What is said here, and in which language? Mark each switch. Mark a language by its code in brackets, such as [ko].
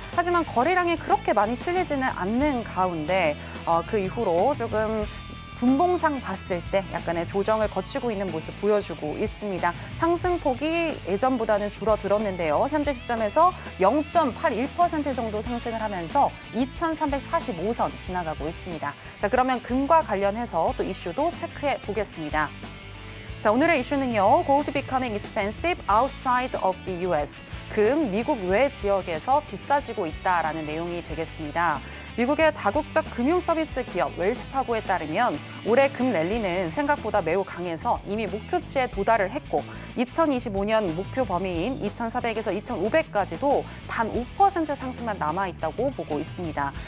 [ko] 하지만 거래량이 그렇게 많이 실리지는 않는 가운데 그 이후로 조금 분봉상 봤을 때 약간의 조정을 거치고 있는 모습 보여주고 있습니다. 상승폭이 예전보다는 줄어들었는데요. 현재 시점에서 0.81% 정도 상승을 하면서 2345선 지나가고 있습니다. 자, 그러면 금과 관련해서 또 이슈도 체크해 보겠습니다. 자, 오늘의 이슈는요. [en] Gold becoming expensive outside of the US. [ko] 금, 미국 외 지역에서 비싸지고 있다라는 내용이 되겠습니다. 미국의 다국적 금융서비스 기업 웰스파고에 따르면 올해 금 랠리는 생각보다 매우 강해서 이미 목표치에 도달을 했고 2025년 목표 범위인 2400에서 2500까지도 단 5% 상승만 남아있다고 보고 있습니다.